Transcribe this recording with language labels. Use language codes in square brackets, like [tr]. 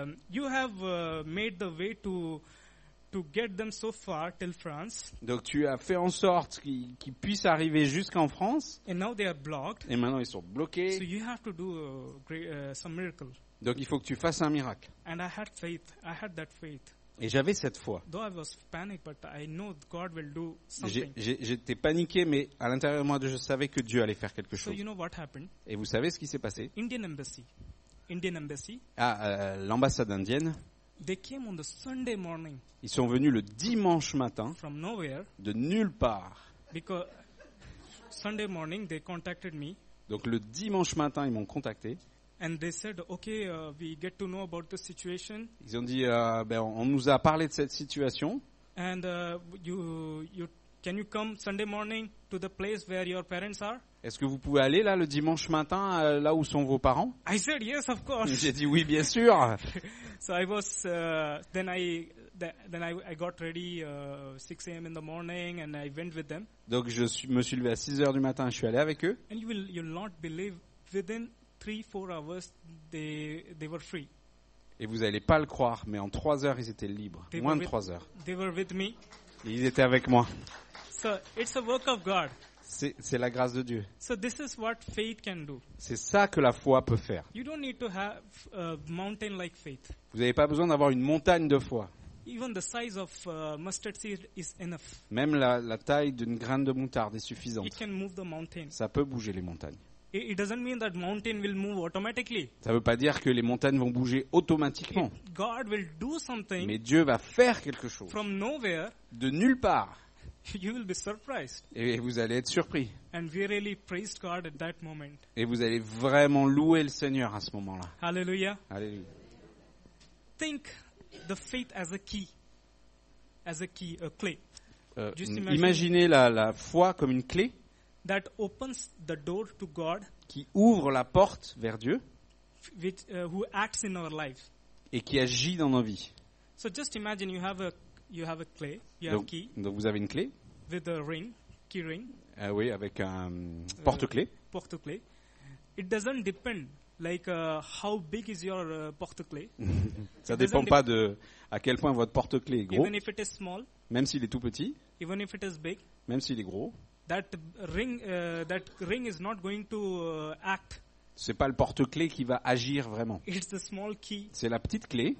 [en] You have made the way to get them so far till France. [fr] Donc tu as fait en sorte qu'ils puissent arriver jusqu'en France. [en] And now they are blocked. [fr] Et maintenant ils sont bloqués. [en] So you have to do some miracle. [fr] Donc il faut que tu fasses un miracle. [en] And I had faith. I had that faith. [fr] Et j'avais cette foi. [en] Though I was panicked, but I know God will do something. [fr] J'étais paniqué, mais à l'intérieur de moi, je savais que Dieu allait faire quelque chose. [en] So you know what happened? [fr] Et vous savez ce qui s'est passé? [en] Indian embassy. [fr] L'ambassade indienne. [en] They came on the Sunday morning. [fr] Ils sont venus le dimanche matin. [en] From nowhere. [fr] De nulle part. [en] Because Sunday morning they contacted me. [fr] Donc le dimanche matin, ils m'ont contacté. [en] And they said, okay, we get to know about the situation. [fr] Ils ont dit, on nous a parlé de cette situation. [en] And you can you come Sunday morning to the place where your parents are? [fr] Est-ce que vous pouvez aller là le dimanche matin là où sont vos parents? [en] I said yes, of course. [fr] J'ai dit oui, bien sûr. [en] So I was then I got ready 6 a.m. in the morning and I went with them. [fr] Donc me suis levé à 6 h du matin, je suis allé avec eux. [en] And you'll not believe within 3-4 hours they were free. [fr] Et vous n'allez pas le croire, mais en 3 heures ils étaient libres, [en] they [fr] moins de 3 heures. [en] They were with me. [fr] Ils étaient avec moi. [en] So it's a work of God. [fr] C'est la grâce de Dieu. [en] So this is what faith can do. [fr] C'est ça que la foi peut faire. [en] You don't need to have a mountain like faith. [fr] Vous n'avez pas besoin d'avoir une montagne de foi. [en] Even the size of mustard seed is enough. [fr] Même la taille d'une graine de moutarde est suffisante. [en] It can move the mountain. [fr] Ça peut bouger les montagnes. [en] It doesn't mean that mountain will move automatically. [fr] Ça veut pas dire que les montagnes vont bouger automatiquement. [en] God will do something. [fr] Mais Dieu va faire quelque chose. [en] From nowhere. [fr] De nulle part. [en] You will be surprised. [fr] Et vous allez être surpris. [en] And we really praised God at that moment. [fr] Et vous allez vraiment louer le Seigneur à ce moment-là. [en] Hallelujah. [fr] Hallelujah. [en] Think the faith as a key. As a key, a clay. [fr] Imaginez la foi comme une clé. [en] That opens the door to God, [fr] qui ouvre la porte vers Dieu, [en] which, who acts in our lives. [fr] Et qui agit dans nos vies. [en] So just imagine you have a clay, [fr] donc, [en] have a key, [fr] donc vous avez une clé, [en] with a ring, key ring. [fr] Oui, avec un porte-clé. Porte-clé. [en] It doesn't depend like how big is your porte-clé. [fr] Ça dépend pas de à quel point votre porte-clé est gros. [en] Even if it is small. [fr] Même s'il est tout petit. [en] Even if it is big. [fr] Même s'il est gros. [en] That ring is not going to act. [fr] C'est pas le porte-clé qui va agir vraiment. [en] It's the small key. [fr] C'est la petite clé.